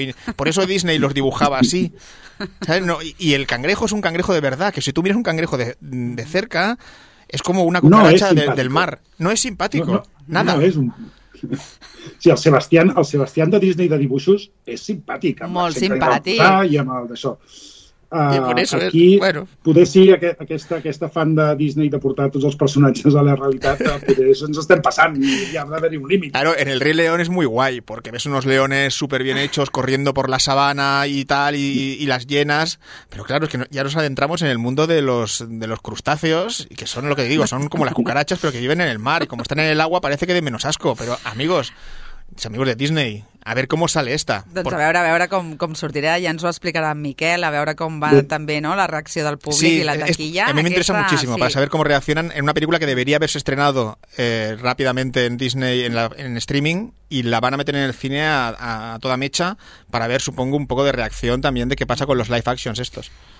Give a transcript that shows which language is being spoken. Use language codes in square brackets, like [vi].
[es] Y por eso Disney los dibujaba así. ¿Sabes? No, y el cangrejo es un cangrejo de verdad. Que si tú miras un cangrejo de cerca, es como una cucaracha del mar. No es simpático. Nada. No es un... Sí, el Sebastián de Disney de dibujos es simpático. [ca] Molt simpático. Y amb el d'això. I per això, aquí, bueno. Poder ser aquesta fan de Disney de portar tots els personatges a la realitat, ens estem passant i hi ha d'haver un límit. [es] Claro, en el Rei León és muy guay, porque ves unos leones súper bien hechos corriendo por la sabana y tal, y las hienas, pero claro, es que ya nos adentramos en el mundo de los crustáceos, que son lo que digo, son como las cucarachas, pero que viven en el mar, y como están en el agua parece que de menos asco, pero amigos de Disney, [ca] a veure com [es] sale esta. [ca] Doncs a veure com sortirà, ja ens ho explicarà en Miquel, a veure com va també, no?, la reacció del públic, sí, i la taquilla. A mi m'interessa moltíssim, sí. Per saber com reaccionen en una pel·lícula [es] que debería haberse estrenado [ca] ràpidament en Disney, en streaming, i [es] la van a meter en el cine a toda mecha, para ver, supongo, un poco de [ca] reacció també de què passa [es] con los live actions estos.